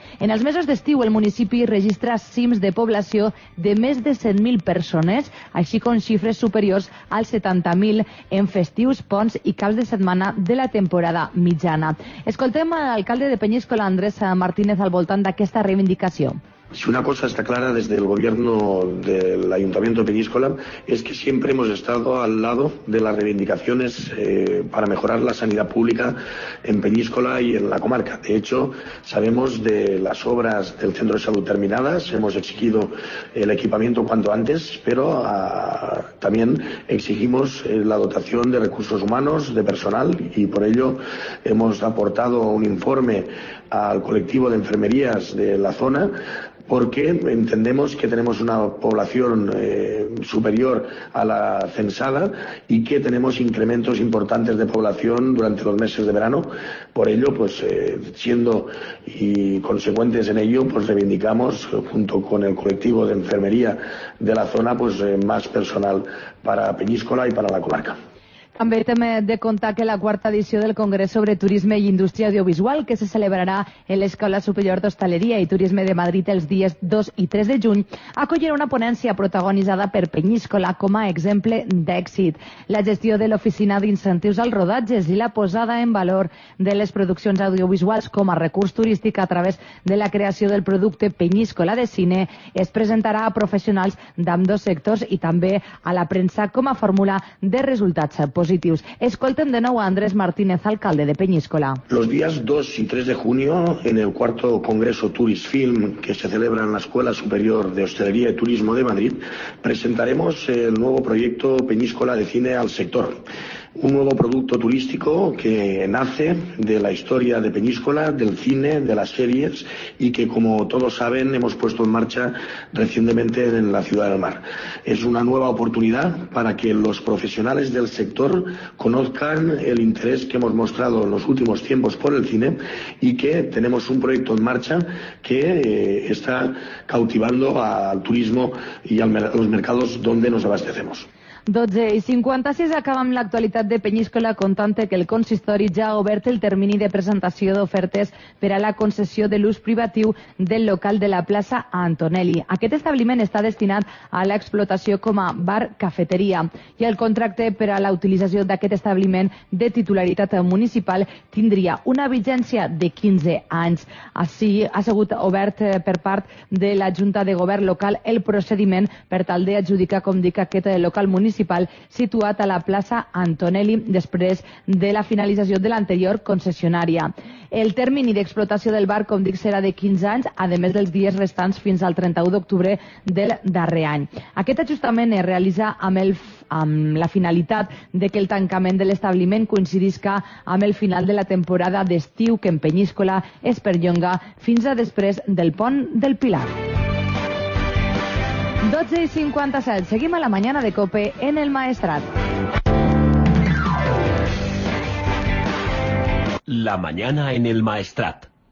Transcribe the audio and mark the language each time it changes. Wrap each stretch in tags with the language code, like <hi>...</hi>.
<ca>En els mesos d'estiu, el municipi registra cims de població de més de 100.000 persones, així con xifres superiors als 70.000 en festius, ponts i caps de setmana de la temporada mitjana. Escoltem l'alcalde de Peñíscola, Andrés Martínez, al voltant d'aquesta reivindicació.</ca> <es>Si una cosa está clara desde el gobierno del Ayuntamiento de Peñíscola es que siempre hemos estado al lado de las reivindicaciones para mejorar la sanidad pública en Peñíscola y en la comarca. De hecho, sabemos de las obras del centro de salud terminadas, hemos exigido el equipamiento cuanto antes, pero también exigimos la dotación de recursos humanos, de personal, y por ello hemos aportado un informe al colectivo de enfermerías de la zona, porque entendemos que tenemos una población superior a la censada y que tenemos incrementos importantes de población durante los meses de verano. Por ello, pues siendo y consecuentes en ello, pues reivindicamos junto con el colectivo de enfermería de la zona pues más personal para Peñíscola y para la comarca.</es> <ca>També hem de contar que la quarta edició del Congrés sobre Turisme i Indústria Audiovisual, que se celebrarà en l'Escola Superior d'Hostaleria i Turisme de Madrid els dies 2 i 3 de juny, acollirà una ponència protagonitzada per Peñíscola com a exemple d'èxit. La gestió de l'Oficina d'Incentius als Rodatges i la posada en valor de les produccions audiovisuals com a recurs turístic a través de la creació del producte Peñíscola de Cine es presentarà a professionals d'ambdós sectors i també a la premsa com a fórmula de resultats positivos.</ca> <es>Escolten de nuevo a Andrés Martínez, alcalde de Peñíscola. Los días 2 y 3 de junio, en el cuarto Congreso Tourist Film que se celebra en la Escuela Superior de Hostelería y Turismo de Madrid, presentaremos el nuevo proyecto Peñíscola de Cine al sector. Un nuevo producto turístico que nace de la historia de Peñíscola, del cine, de las series y que, como todos saben, hemos puesto en marcha recientemente en la Ciudad del Mar. Es una nueva oportunidad para que los profesionales del sector conozcan el interés que hemos mostrado en los últimos tiempos por el cine y que tenemos un proyecto en marcha que está cautivando al turismo y a los mercados donde nos abastecemos.</es> <ca>12:56, acabam l'actualitat de Peñíscola contant que el consistori ja ha obert el termini de presentació d'ofertes per a la concessió de l'ús privatiu del local de la plaça Antonelli. Aquest establiment està destinat a l'explotació com a bar-cafeteria i el contracte per a la utilització d'aquest establiment de titularitat municipal tindria una vigència de 15 anys. Així ha sigut obert per part de la Junta de Govern local el procediment per tal d'adjudicar, com dic, aquest local municipal situat a la plaça Antonelli després de la finalització de l'anterior concessionària. El termini d'explotació del bar, com dic, serà de 15 anys, a més dels dies restants fins al 31 d'octubre del darrer any. Aquest ajustament es realitza amb la finalitat de que el tancament de l'establiment coincidisca amb el final de la temporada d'estiu que en Peñíscola es perllonga fins a després del pont del Pilar. 12:57.</ca> <es>Seguim a la mañana de COPE en el Maestrat. La mañana en el Maestrat.</es>